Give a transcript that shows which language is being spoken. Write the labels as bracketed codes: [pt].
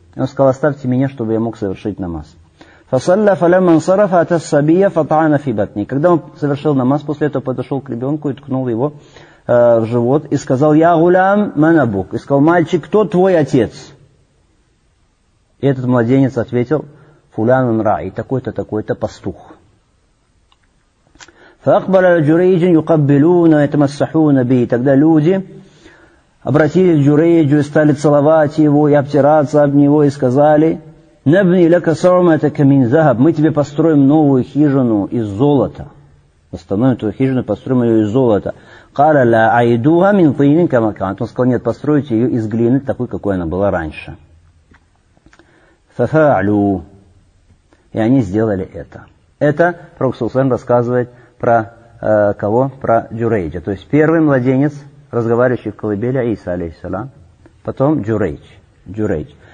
[ru] Он сказал, оставьте меня, чтобы я мог совершить намаз. [ar] Фасалля фалям ансарафа атасабия фатаана фибатни. [ru] Когда он совершил намаз, после этого подошел к ребенку и ткнул его в живот. И сказал, [ar] я гулям манабук. [ru] И сказал, мальчик, кто твой отец? И этот младенец ответил, [ar] фулян рай, [ru] такой-то, такой-то пастух. [ar] فأقبل الجريج يقبلون ويتمسحون به. [ru] Тогда люди обратились к Джурейджу и стали целовать его и обтираться об него и сказали: [ar] «Набни лака саумата мин захаб». [ru] Мы тебе построим новую хижину из золота. Восстановим твою хижину, построим ее из золота. [ar] قال لا أعيدها من طين كما كانت. [ru] Он сказал: «Нет, постройте ее из глины такой, какой она была раньше». [ar] ففعلوا. [ru] И они сделали это. Это пророк Сусан рассказывает про кого? Про Джурейджа. То есть первый младенец, разговаривающий в колыбели, Иса, алейхиссалам. Потом Джурейдж. Джурейдж.